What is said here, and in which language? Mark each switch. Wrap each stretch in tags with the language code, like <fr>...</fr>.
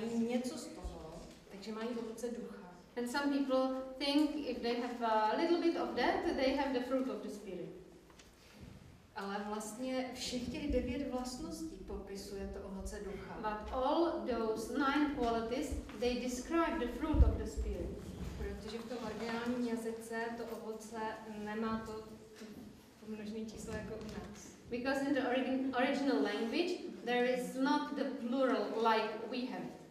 <en>And some people think if they have a little bit of that, they have the fruit of the spirit.</en> <cs>Ale vlastně všech těch devět vlastností popisuje to ovoce ducha.</cs> <en>But all those nine qualities, they describe the fruit of the spirit.</en> <cs>Protože v tom originálním jazyce to ovoce nemá to pomnožné číslo jako u nás.</cs> <en>Because in the original language, there is not the plural like we have.</en>